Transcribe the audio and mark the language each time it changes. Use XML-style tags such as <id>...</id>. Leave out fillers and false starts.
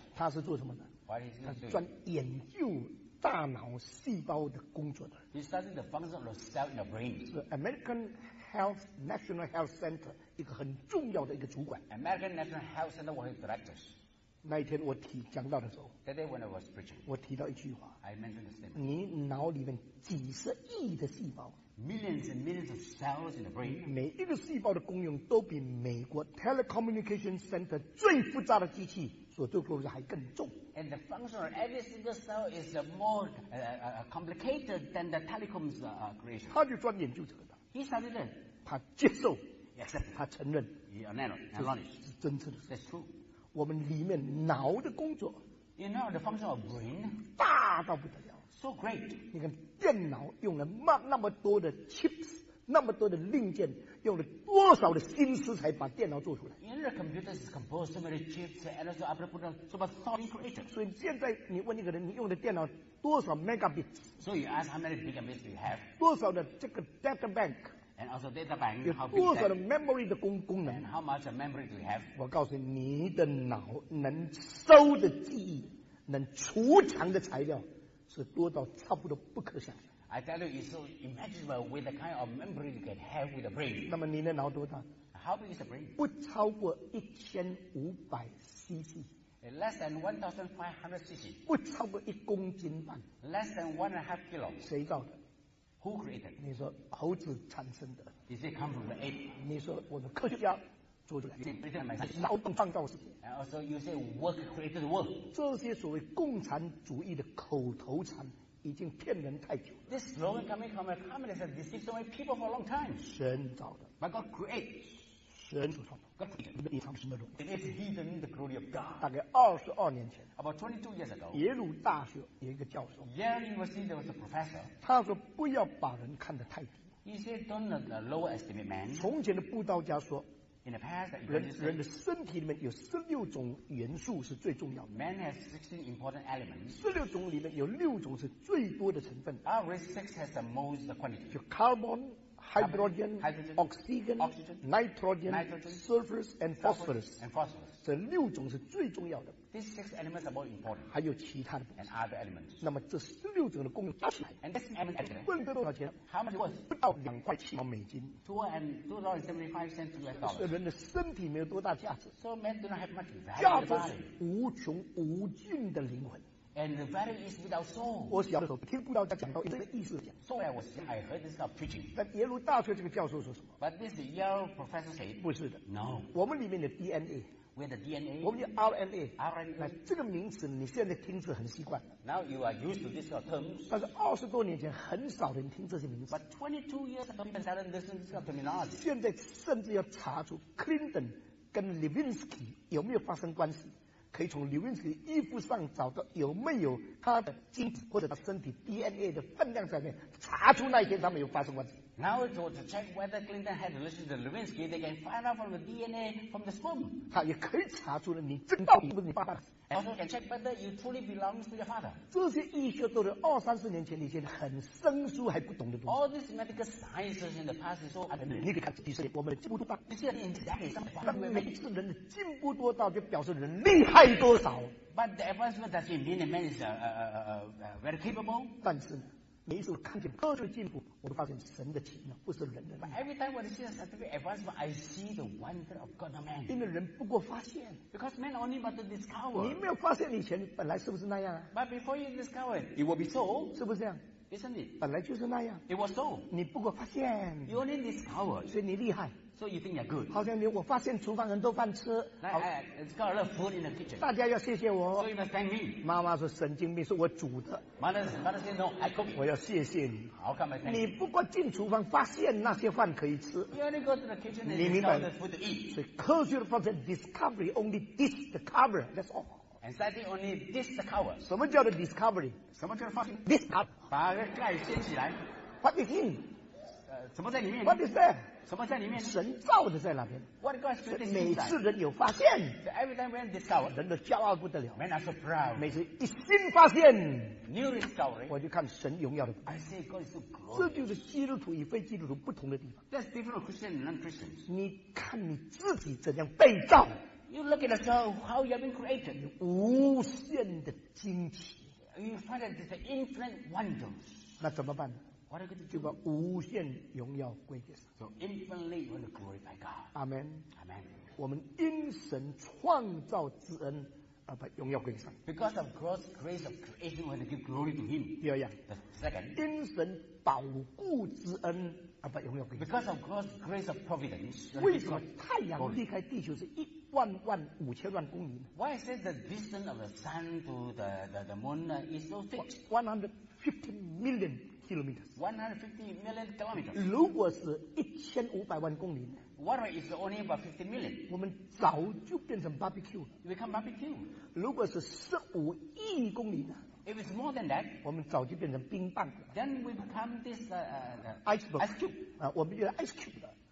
<zh>他是做什么的？</zh> <en>What is he doing?</en> <zh>他专研究大脑细胞的工作的。</zh> <en>He studied the function of cell in the brain.</en> <zh>The American Health National Health Center 一个很重要的一个主管。</zh> <en>American National Health Center was his director.</en> <zh>那一天我提讲到的时候。</zh> <en>That day when I was preaching.</en> <zh>我提到一句话。</zh> <en>I mentioned the statement.</en> <zh>你脑里面几十亿的细胞。</zh> <en>Millions and millions of cells in the brain.</en> <zh>每一个细胞的功用都比美国 telecommunication center 最复杂的机器。所做工作还更重。</zh> <en>And the function of every single cell is more complicated than the telecom's creation.</en> <zh>他就专研究这个的。</zh> <en>He studied it.</en> <zh>他接受。</zh> <en>He accepted.</en> <zh>他承认。</zh> <en>He acknowledged.</en> <zh>是真正的。</zh> <en>That's true.</en> <zh>我们里面脑的工作。</zh> <en>You know the function of brain.</en> <zh>大到不得了。</zh> <en>So great.</en> <zh>你看电脑用了那么多的 chips。那么多的零件，用了多少的心思才把电脑做出来？因为</zh> <en>computer is composed of many chips and also after put on so much thought and creation.</en> <zh>所以现在你问一个人，你用的电脑多少 megabits?</zh> <en>So you ask how many megabits do you have?</en> <zh>多少的这个 data bank?</zh> <en>And also data bank.</en> <zh>有多少的 memory 的功能？</zh> <en>And how much memory do you have?</en> <zh>我告诉你，你的脑能收的记忆，能储藏的材料，是多到差不多不可想象。</zh> <en>I tell you, it's so imaginable with the kind of memory you can have with the brain.</en> <zh>那么你的脑多大？</zh> <en>How big is the brain?</en> <zh>不超过1500 cc.</zh> <en>Less than 1500 cc.</en> <zh>不超过一公斤半。</zh> <en>Less than 1.5 kilo.</en> <zh>谁造的？</zh> <en>Who created?</en> <zh>你说猴子产生的。</zh> <en>Is it come from the ape?</en> <zh>你说我的科学家做出来。</zh> <en>You say president myself.</en> <zh>劳动创造世界。</zh> <en>And also you say work created the world.</en> <zh>这些所谓共产主义的口头禅。已经骗人太久了。</zh> <en>This slogan coming from a communist has deceived so many people for a long time.</en> <zh>神造的。</zh> <en>But God creates.</en> <zh>神所创造。</zh> <en>God created.</en> <zh>隐藏什么东西？</zh> <en>It is hidden in the glory of God.</en> <zh>大概22年前。</zh> <en>About 22 years ago.</en> <zh>耶鲁大学有一个教授。</zh> <en>Yale University there was a professor.</en> <zh>他说不要把人看得太低。</zh> <en>He said don't low estimate man.</en> <zh>从前的布道家说。</zh> <en>In the past,</en> <zh>人的身体里面有16种元素是最重要的。</zh> <en>Man has 16 important elements.</en> <zh>16种里面有6种是最多的成分。</zh> <en>Our six has the most quantity.</en> <zh>就</zh> <en>carbon, hydrogen, oxygen, nitrogen, sulfur, and phosphorus. And phosphorus.</en> <zh>这六种是最重要的。</zh> <en>These six elements are most important.</en> <zh>还有其他的部分。</zh> <en>And other elements.</en> <zh>那么这16种的功能加起来。</zh> <en>And this element.</en> <zh>问得多少钱？</zh> <en>How much was?</en> <zh>不到$2.75.</zh> <en>$2.75 US dollars.</en> <zh>这人的身体没有多大价值。</zh> <en>So men do not have much value.</en> <zh>价值是无穷无尽的灵魂。</zh> <en>And the value is without soul.</en> <zh>我小的时候听布道家讲到这个意思讲。</zh> <en>So I was young, I heard this kind of preaching.</en> <zh>但耶鲁大学这个教授说什么？</zh> <en>But this Yale professor said.</en> <zh>不是的。</zh> <en>No.</en> <zh>我们里面的 DNA.</zh> <en>We have the DNA.</en> <zh>我们的 RNA.</zh> <en>RNA.</en> <zh>那这个名词你现在听着很习惯。</zh> <en>Now you are used to this kind of terms.</en> <zh>但是二十多年前很少人听这些名词。</zh> <en>But 22 years ago, people started listening to this kind of terminology.</en> <zh>现在甚至要查出 Clinton 跟 Lewinsky 有没有发生关系。可以从刘云石衣服上找到有没有他的精子或者他身体 DNA 的分量上面查出那一天他们有发生关系。</zh> <en>Now to check whether Clinton had relationship to Lewinsky, they can find out from the DNA from the sperm.</en> <zh>他也可以查出了你真到底是不是你爸爸。</zh> <en>Also can check whether you truly belong to your father.</en> <zh>这些医学都是二三十年前那些很生疏还不懂的东西。</zh> <en>All this medical science in the past is so unknown.</en> <zh>你可以看，其实我们的进步多大。你现在每次人的进步多大，就表示人厉害多少。</zh> <en>But the advancement does it mean a man is very capable?</en> <zh>但是每一次我看见科学进步，我都发现神的奇妙，不是人的。</zh> <en>But every time when I see a scientific advancement, I see the wonder of God, man.</en> <zh>因为人不过发现。</zh> <en>Because man only but to discover.</en> <zh>你没有发现以前，本来是不是那样啊</zh> <en>？But before you discover it, it will be so.</en> <zh>是不是这样</zh> <en>？Isn't it?</en> <zh>本来就是那样。</zh> <en>It was so.</en> <zh>你不过发现。</zh> <en>You only discover.</en> <zh>所以你厉害。</zh> <en>So you think you're good.</en> <zh>好像你，我发现厨房很多饭吃。</zh> <en>It's got a lot of food in the kitchen.</en> <zh>大家要谢谢我。</zh> <en>So you must thank me.</en> <zh>妈妈说神经病，是我煮的。</zh> <en>Mother said no, I cook.</en> <zh>我要谢谢你。</zh> <en>How come I thank you?</en> <zh>你不过进厨房发现那些饭可以吃。</zh> <en>You only go to the kitchen and discover the food to eat.</en> <zh>所以科学的发现</zh> <en>discovery only discover, that's all. And study only discover.</en> <zh>什么叫做 discovery? 什么叫做发现</zh> <en>discover?</en> <zh>把盖掀起来。</zh> <en>What is in?</en> <zh>什么在里面</zh> <en>？What is there？</en> <zh>什么在里面？神造的在那边。</zh> <en>What God created inside？</en> <zh>每次人有发现</zh> <en>，So every time when discover，</en> <zh>人都骄傲不得了。</zh> <en>Men are so proud。</en> <zh>每次一新发现</zh> <en>，New discovery，</en> <zh>我就看神荣耀的。</zh> <en>I see God is so glorious。</en> <zh>这就是基督徒与非基督徒不同的地方。</zh> <en>That's different from Christians and non-Christians。</en> <zh>你看你自己怎样被造</zh> <en>？You look at yourself how you have been created。</en> <zh>无限的惊奇。</zh> <en>You find that it's an infinite wonder。</en> <zh>那怎么办呢？</zh> <en>What are you going to do?</en> <zh>就把无限荣耀归给神。</zh> <en>So infinitely you want to glorify God. Amen. Amen.</en> <zh>我们因神创造之恩而把荣耀归给神。</zh> <en>Because of God's grace of creation, we want to give glory to Him.</en> <zh>第二样。</zh> <en>The second.</en> <zh>因神保护之恩而把荣耀归给神。</zh> <en>Because of God's grace of providence.</en> <zh>为什么太阳离开地球是一万万五千万公里呢</zh> <en>？Why is it the distance of the sun to the moon is so fixed? 150 million. 150 million kilometers.</en> <zh>如果是1500万公里</zh> <en>，What is only about 50 million?</en> <zh>我们早就变成 barbecue 了。</zh> <en>Become barbecue.</en> <zh>如果是15亿公里</zh> <en>，If it's more than that,</en> <zh>我们早就变成冰棒了。</zh> <en>Then we become this iceberg. Ice cube.</en> <zh>啊，我们变成 ice cube 了。</zh>